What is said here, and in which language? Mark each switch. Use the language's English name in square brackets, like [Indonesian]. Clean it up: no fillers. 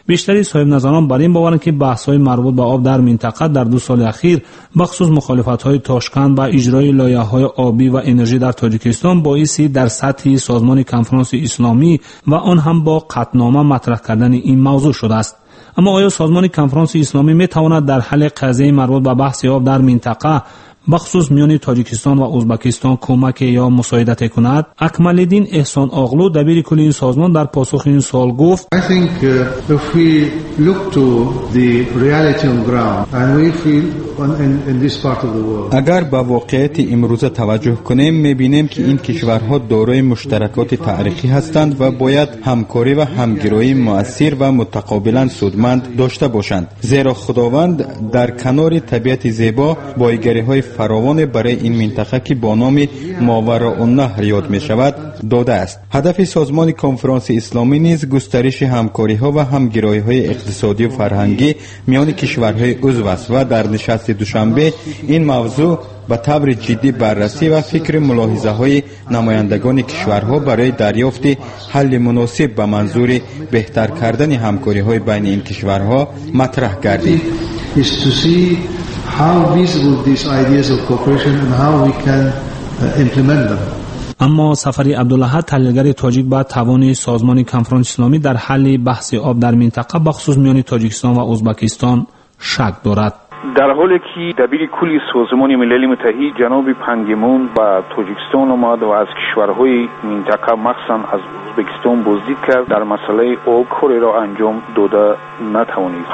[Persian] بیشتری صاحب نظران بر این باورند که بحث‌های مربوط به آب در منطقه در دو سال اخیر به خصوص مخالفت‌های تاشکند با اجرای لایحه‌های آبی و انرژی در تاجیکستان باعث در سطح سازمان کنفرانس اسلامی و آن هم با قطعنامه مطرح کردن این موضوع شده است. اما آیا سازمان کنفرانس اسلامی می تواند در حل قضیه مربوط به بحث آب در منطقه بخصوص میان تاجیکستان و ازبکستان کمک یا مساعدت کند؟ اکمل الدین احسان اغلو دبیر کل این سازمان در پاسخ این سوال گفت: [English] I think if we look to the reality on ground and we feel in this part of the world. [Persian] اگر به واقعیت امروز توجه کنیم میبینیم که این کشورها دارای مشترکات تاریخی هستند و باید همکاری و همگرایی مؤثر و متقابلا سودمند داشته باشند، زیرا خداوند در کنار طبیعت زیبا بایگری‌های فراوان برای این منطقه که با نام ماوراءالنهر یاد می شود داده است. هدف سازمان کنفرانس اسلامی نیز گسترش همکاری ها و همگرایی های اقتصادی و فرهنگی میان کشورهای عضو است و در نشست دوشنبه این موضوع به طور جدی بررسی و فکر ملاحظه های نمایندگان کشورها برای دریافت حل مناسب به منظور بهتر کردن همکاری های بین این کشورها مطرح گردید. [English] How visible these ideas of cooperation and how we can implement them. [Persian] اما سفری عبدالله تحلیلگر تاجیک با توان سازمان کنفرانس اسلامی در حل بحث آب در منطقه بخصوص میان تاجیکستان و ازبکستان شک دارد. در حالی که دبیر کلی سازمان ملل متحد جناب پنگمون با تاجیکستان آمد و از کشورهای منطقه مخصوصا از ازبکستان بازدید کرد، در مسئله آب کاری را انجام داده نتوانید.